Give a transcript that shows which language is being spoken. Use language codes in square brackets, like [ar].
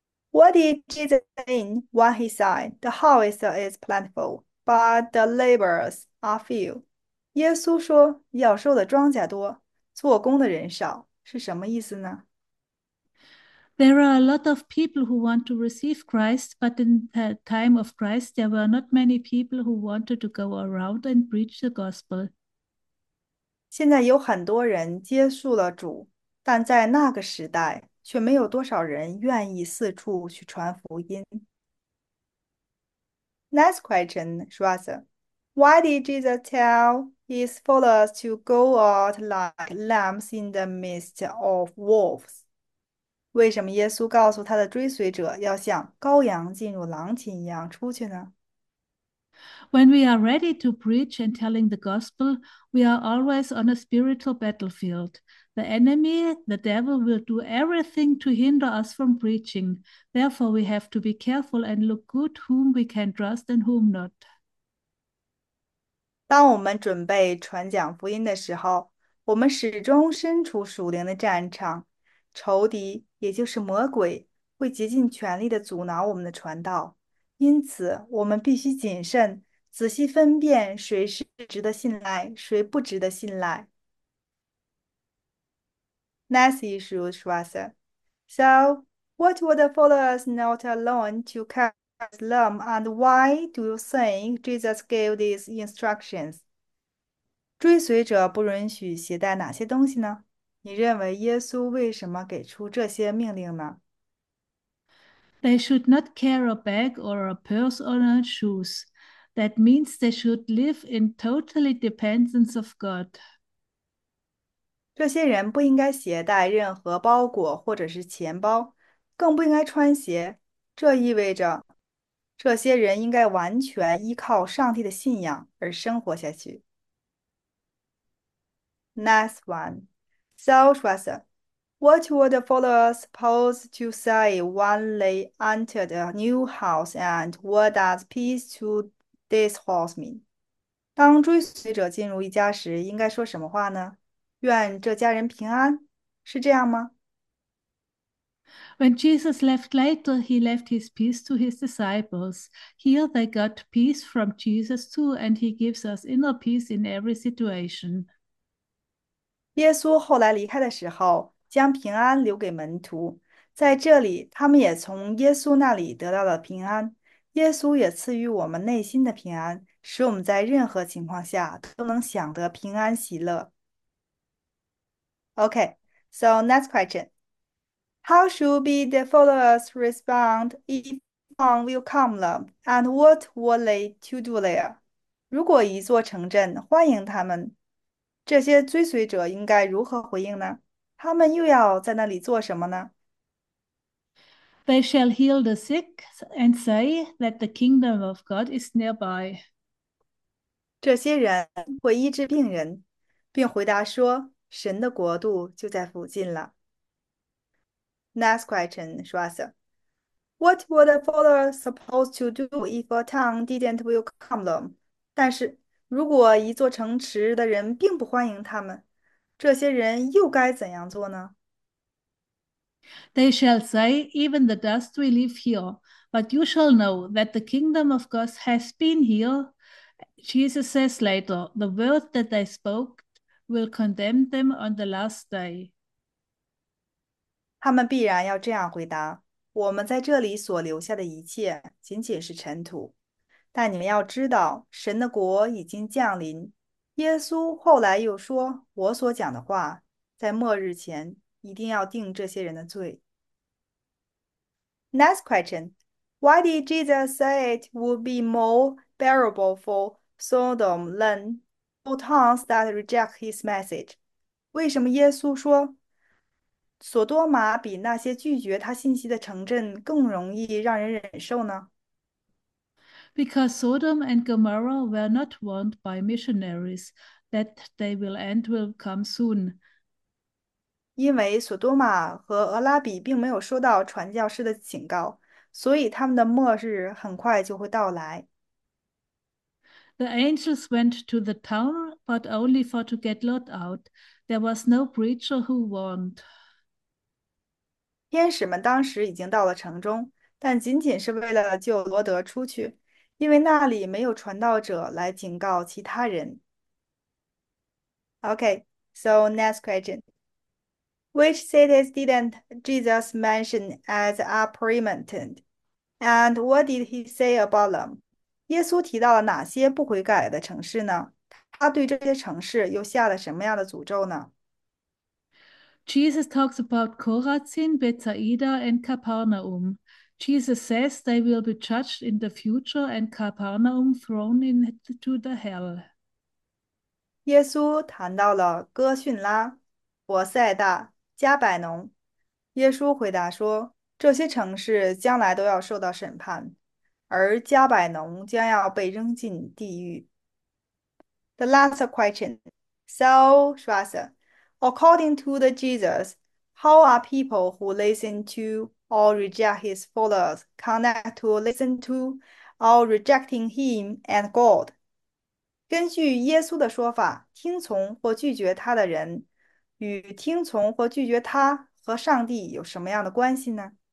[en] What did Jesus mean when he said the harvest is plentiful, but the laborers are few? [zh] 耶稣说要收的庄稼多，做工的人少，是什么意思呢？ [en] There are a lot of people who want to receive Christ, but in the time of Christ, there were not many people who wanted to go around and preach the gospel. [zh] 现在有很多人接触了主，但在那个时代却没有多少人愿意四处去传福音。 [en] Next question, Shwasa. Why did Jesus tell his followers to go out like lambs in the midst of wolves? [zh] 为什么耶稣告诉他的追随者要像羔羊进入狼群一样出去呢？ [en] When we are ready to preach and telling the gospel, we are always on a spiritual battlefield. The enemy, the devil, will do everything to hinder us from preaching. Therefore, we have to be careful and look good whom we can trust and whom not. [zh] 当我们准备传讲福音的时候，我们始终身处属灵的战场，仇敌也就是魔鬼会竭尽全力的阻挠我们的传道，因此我们必须谨慎，仔细分辨谁是值得信赖，谁不值得信赖。 [en] Next issue, Schwester. So, what were the followers not alone to come? Lamb, and why do you think Jesus gave these instructions? [zh] 追随者不允许携带哪些东西呢？你认为耶稣为什么给出这些命令呢？ [en] They should not carry a bag or a purse or a shoes. That means they should live in totally dependence of God. [zh] 这些人不应该携带任何包裹或者是钱包，更不应该穿鞋。这意味着。这些人应该完全依靠上帝的信仰而生活下去。 [en] Next one, so Schwester, what were the followers supposed to say when they entered a new house, and what does peace to this house mean? [zh] 当追随者进入一家时，应该说什么话呢？愿这家人平安，是这样吗？ [en] When Jesus left later, he left his peace to his disciples. Here they got peace from Jesus too, and he gives us inner peace in every situation. [zh] 耶稣后来离开的时候，将平安留给门徒。在这里，他们也从耶稣那里得到了平安。耶稣也赐予我们内心的平安，使我们在任何情况下都能享得平安喜乐。 [en] Okay, so next question. How should be the followers respond if one will come them, and what were they to do there? [zh] 如果一座城镇欢迎他们，这些追随者应该如何回应呢？他们又要在那里做什么呢？ [en] They shall heal the sick and say that the kingdom of God is nearby. [zh] 这些人会医治病人，并回答说：“神的国度就在附近了。 [en] ”Next question, Shwasa. What were the followers supposed to do if a town didn't welcome them? [zh] 但是，如果一座城池的人并不欢迎他们，这些人又该怎样做呢？ [en] They shall say, even the dust we leave here, but you shall know that the kingdom of God has been here. Jesus says later, the word that they spoke will condemn them on the last day. [zh] 他们必然要这样回答：“我们在这里所留下的一切仅仅是尘土，但你们要知道，神的国已经降临。耶稣后来又说：‘我所讲的话，在末日前一定要定这些人的罪。 [en] ’”Next question: Why did Jesus say it would be more bearable for Sodom than all towns that reject his message？ [zh] 为什么耶稣说？索多玛比那些拒绝他信息的城镇更容易让人忍受呢？ [en] Because Sodom and Gomorrah were not warned by missionaries that they will end will come soon. [zh] 因为索多玛和俄拉比并没有收到传教士的警告，所以他们的末日很快就会到来。 [en] The angels went to the town, but only for to get Lot out. There was no preacher who warned. [zh] 天使们当时已经到了城中，但仅仅是为了救罗德出去，因为那里没有传道者来警告其他人。 [en] Okay, so next question. Which cities didn't Jesus mention as a preeminent, and what did he say about them? [zh] 耶稣提到了哪些不悔改的城市呢？他对这些城市又下了什么样的诅咒呢？ [en] Jesus talks about Chorazin, Bethsaida, and Capernaum. Jesus says they will be judged in the future and Capernaum thrown into the hell. [zh] 耶稣谈到了哥逊拉、博塞大、加百农。耶稣回答说，这些城市将来都要受到审判，而加百农将要被扔进地狱。 [en] The last question. So, Shwasa, according to the Jesus, how are people who listen to or reject his followers connect to listen to or rejecting him and God? [zh] 根据耶稣的说法，听从或拒绝他的人，与听从或拒绝他和上帝有什么样的关系呢？